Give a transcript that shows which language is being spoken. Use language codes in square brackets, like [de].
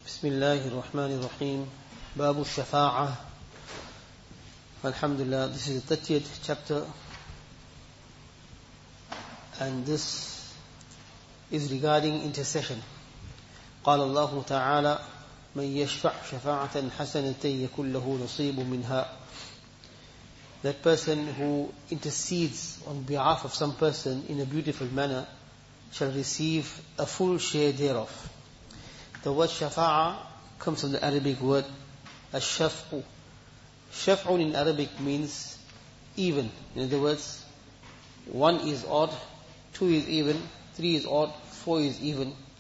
[ar] بسم الله الرحمن الرحيم باب الشفاعة الحمد لله [en] This is the 30th chapter and this is regarding intercession. [ar] قال الله تعالى من يشفع شفاعة حسنة يكون له نصيب منها. [en] That person who intercedes on behalf of some person in a beautiful manner shall receive a full share thereof. The word shafa'a comes from the Arabic word ash-shaf'u. Shaf'u in Arabic means even. In other words, one is odd, two is even, three is odd, four is even.